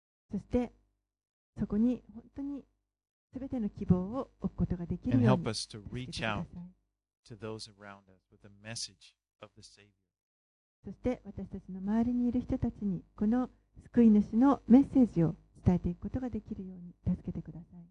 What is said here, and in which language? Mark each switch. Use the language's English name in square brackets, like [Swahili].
[Japanese] そしてそこに本当にすべての希望を置くことができるように。 [English] And help us to reach out to those around us with the message of the Savior. [Japanese] そして私たちの周りにいる人たちにこの救い主のメッセージを伝えていくことができるように助けてください。